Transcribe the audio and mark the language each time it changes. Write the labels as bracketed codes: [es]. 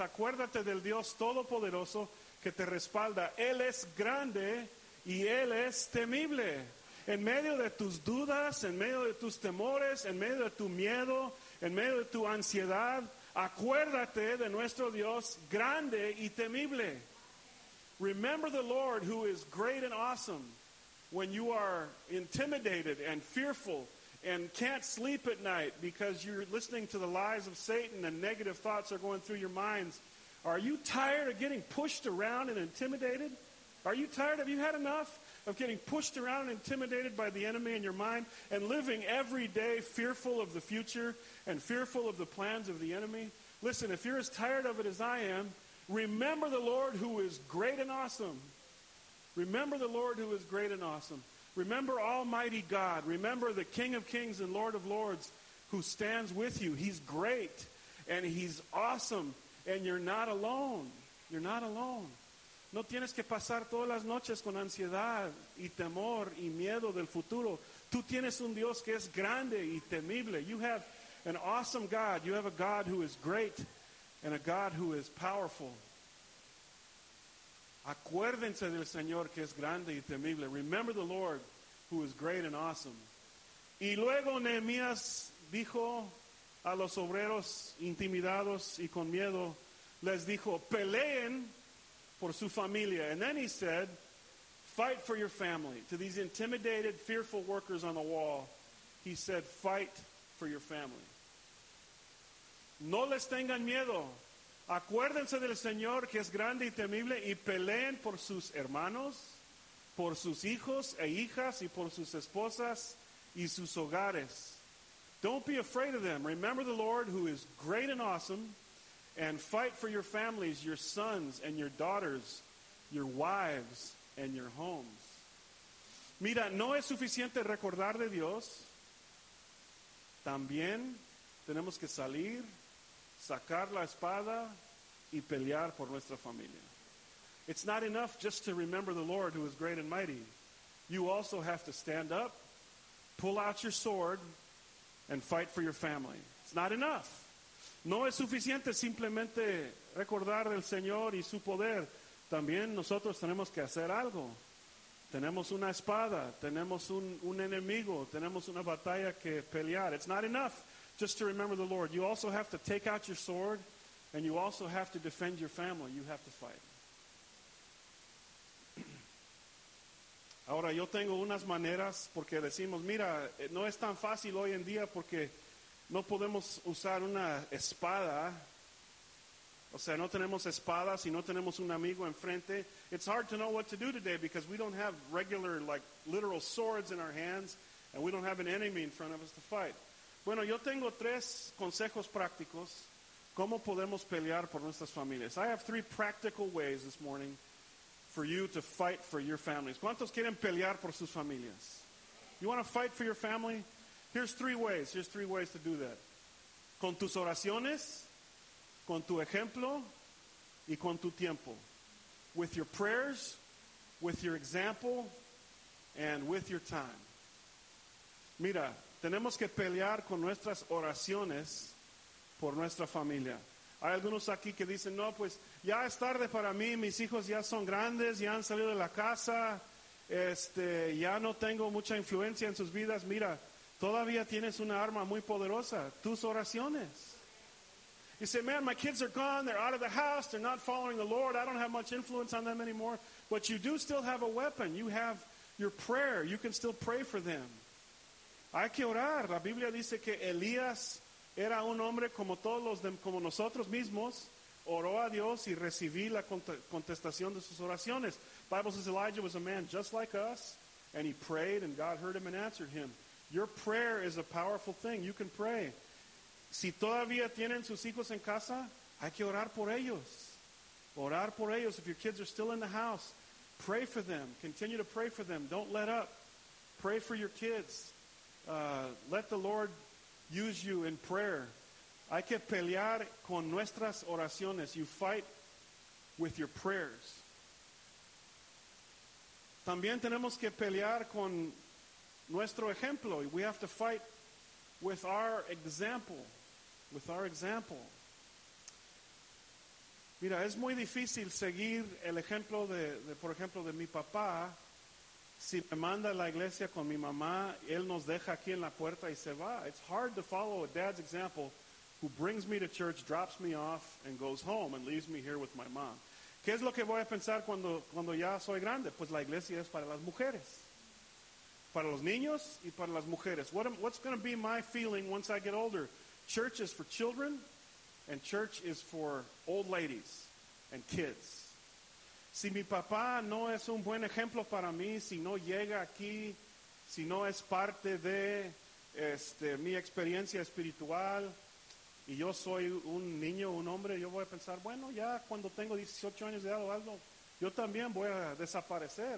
[es] Acuérdate del Dios Todopoderoso que te respalda. Él es grande y Él es temible. En medio de tus dudas, en medio de tus temores, en medio de tu miedo, en medio de tu ansiedad, acuérdate de nuestro Dios grande y temible. [en] Remember the Lord who is great and awesome when you are intimidated and fearful and can't sleep at night because you're listening to the lies of Satan and negative thoughts are going through your minds. Are you tired of getting pushed around and intimidated? Are you tired? Have you had enough of getting pushed around and intimidated by the enemy in your mind and living every day fearful of the future and fearful of the plans of the enemy? Listen, if you're as tired of it as I am, remember the Lord who is great and awesome. Remember the Lord who is great and awesome. Remember Almighty God. Remember the King of Kings and Lord of Lords who stands with you. He's great and he's awesome and you're not alone. You're not alone. [es] No tienes que pasar todas las noches con ansiedad y temor y miedo del futuro. Tú tienes un Dios que es grande y temible. [en] You have an awesome God. You have a God who is great and a God who is powerful. [es] Acuérdense del Señor que es grande y temible. [en] Remember the Lord who is great and awesome. [es] Y luego Nehemías dijo a los obreros intimidados y con miedo, les dijo, peleen por su familia. [en] And then he said, fight for your family. To these intimidated, fearful workers on the wall, he said, fight for your family. [es] No les tengan miedo. Acuérdense del Señor que es grande y temible y peleen por sus hermanos, por sus hijos e hijas y por sus esposas y sus hogares. [en] Don't be afraid of them. Remember the Lord who is great and awesome, and fight for your families, your sons and your daughters, your wives and your homes. [es] Mira, no es suficiente recordar de Dios. También tenemos que salir, sacar la espada y pelear por nuestra familia. [en] It's not enough just to remember the Lord who is great and mighty. You also have to stand up, pull out your sword, and fight for your family. It's not enough. [es] No es suficiente simplemente recordar del Señor y su poder. También nosotros tenemos que hacer algo. Tenemos una espada, tenemos un enemigo, tenemos una batalla que pelear. [en] It's not enough just to remember the Lord. You also have to take out your sword, and you also have to defend your family. You have to fight. [es] Ahora, yo tengo unas maneras, porque decimos, mira, no es tan fácil hoy en día porque no podemos usar una espada. O sea, no tenemos espadas y no tenemos un amigo enfrente. [en] It's hard to know what to do today because we don't have regular, like, literal swords in our hands, and we don't have an enemy in front of us to fight. [es] Bueno, yo tengo tres consejos prácticos. ¿Cómo podemos pelear por nuestras familias? [en] I have three practical ways this morning for you to fight for your families. [es] ¿Cuántos quieren pelear por sus familias? [en] You want to fight for your family? Here's three ways. Here's three ways to do that. [es] Con tus oraciones, con tu ejemplo, y con tu tiempo. [en] With your prayers, with your example, and with your time. [es] Mira, tenemos que pelear con nuestras oraciones por nuestra familia. Hay algunos aquí que dicen, no, pues ya es tarde para mí, mis hijos ya son grandes, ya han salido de la casa, ya no tengo mucha influencia en sus vidas. Mira, todavía tienes una arma muy poderosa, tus oraciones. [en] You say, man, my kids are gone, they're out of the house, they're not following the Lord, I don't have much influence on them anymore. But you do still have a weapon, you have your prayer, you can still pray for them. [es] Hay que orar, la Biblia dice que Elías era un hombre como todos los de, como nosotros mismos, oró a Dios y recibí la contestación de sus oraciones. [en] The Bible says Elijah was a man just like us, and he prayed, and God heard him and answered him. Your prayer is a powerful thing. You can pray. [es] Si todavía tienen sus hijos en casa, hay que orar por ellos. Orar por ellos. [en] If your kids are still in the house, pray for them. Continue to pray for them. Don't let up. Pray for your kids. Let the Lord use you in prayer. [es] Hay que pelear con nuestras oraciones. [en] You fight with your prayers. [es] También tenemos que pelear con nuestro ejemplo. [en] We have to fight with our example. With our example. [es] Mira, es muy difícil seguir el ejemplo de por ejemplo, de mi papá. Si me manda a la iglesia con mi mamá, él nos deja aquí en la puerta y se va. [en] It's hard to follow a dad's example who brings me to church, drops me off, and goes home and leaves me here with my mom. [es] ¿Qué es lo que voy a pensar cuando ya soy grande? Pues la iglesia es para las mujeres. Para los niños y para las mujeres. [en] What's going to be my feeling once I get older? Church is for children, and church is for old ladies and kids. [es] Si mi papá no es un buen ejemplo para mí, si no llega aquí, si no es parte de mi experiencia espiritual, y yo soy un niño, un hombre, yo voy a pensar, bueno, ya cuando tengo 18 años de edad o algo, yo también voy a desaparecer.